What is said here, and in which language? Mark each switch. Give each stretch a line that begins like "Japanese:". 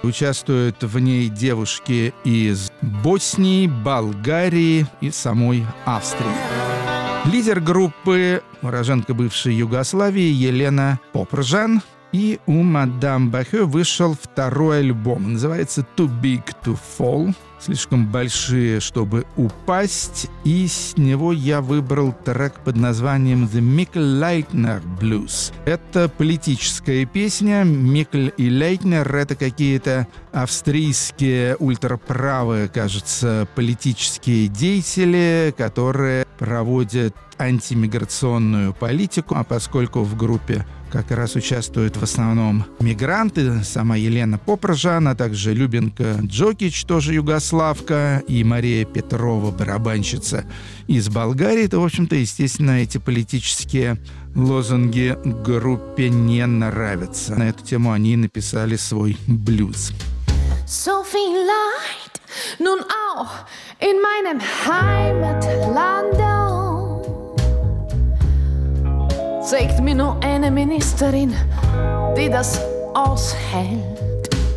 Russian: Участвуют в ней девушки из Боснии, Болгарии и самой Австрии. Лидер группы – уроженка бывшей Югославии Елена Попржан. И у «Мадам Бахё» вышел второй альбом. Называется «Too Big to Fall». «Слишком большие, чтобы упасть». И с него я выбрал трек под названием «The Mikkel Leitner Blues». Это политическая песня. Микль и Лейтнер — это какие-то австрийские ультраправые, кажется, политические деятели, которые проводят антимиграционную политику. А поскольку в группе как раз участвуют в основном мигранты, сама Елена Попржан, а также Любенка Джокич, тоже югославка, и Мария Петрова, барабанщица из Болгарии, то, в общем-то, естественно, эти политические лозунги группе не нравятся. На эту тему они и написали свой блюз.
German: So viel Leid, nun auch in meinem Heimatland. Zeigt mir nur eine Ministerin, die das aushält.